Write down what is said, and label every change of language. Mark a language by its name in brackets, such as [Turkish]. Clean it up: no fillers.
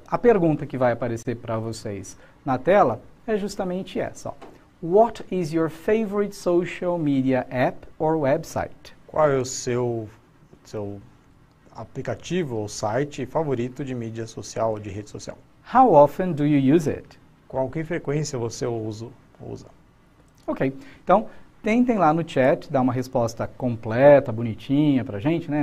[Portuguese] A pergunta que vai aparecer para vocês na tela é justamente essa, ó. [English] What is your favorite social media app or website? [Portuguese] Qual é o seu aplicativo ou site favorito de mídia social ou de rede social? [English] How often do you use it? [Portuguese] Com que frequência você usa? Ok, então Tentem lá no chat dar uma resposta completa, bonitinha pra gente, né?